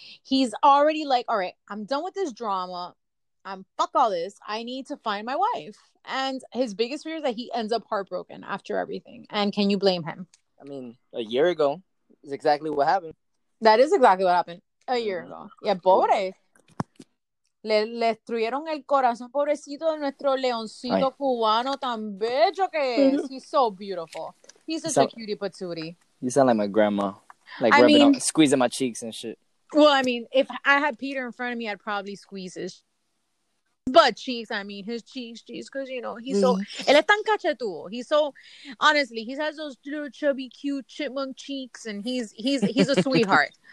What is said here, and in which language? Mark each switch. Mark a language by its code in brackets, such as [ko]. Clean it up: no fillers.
[en] He's already like, all right, I'm done with this drama. Fuck all this. I need to find my wife. And his biggest fear is that he ends up heartbroken after everything. And can you blame him? I mean, a year ago is exactly what happened. That is exactly what happened. A year ago. Yeah, [es] pobre. Le destruyeron el corazón, pobrecito de nuestro leoncito cubano tan bello que es. [en] He's so beautiful. He's such a cutie patootie. You sound like my grandma. Like, I mean, squeezing my cheeks and shit. Well, I mean, if I had Peter in front of me, I'd probably squeeze his butt cheeks. I mean, his cheeks, jeez, because, you know, he's so... [es] Él es tan cachetudo. [en] He's so... Honestly, he has those little chubby, cute chipmunk cheeks, and he's a sweetheart.